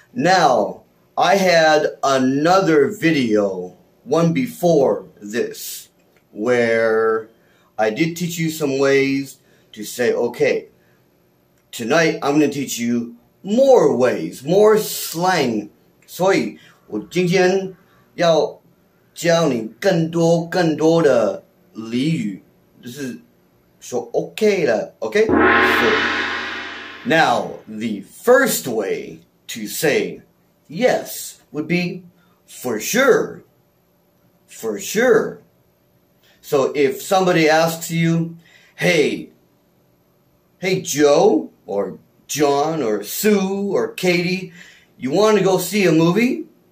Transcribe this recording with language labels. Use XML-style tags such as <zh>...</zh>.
<en>Now, I had another video, one before this, where I did teach you some ways to say okay. Tonight, I'm going to teach you more ways, more slang.</en> <zh>所以我今天要教你更多更多的俚语，就是说 OK 了 ，OK。</zh> <en>So, now the first way to say yes would be for sure, for sure. So if somebody asks you, hey Joe or John or Sue or Katie, you want to go see a movie?</en>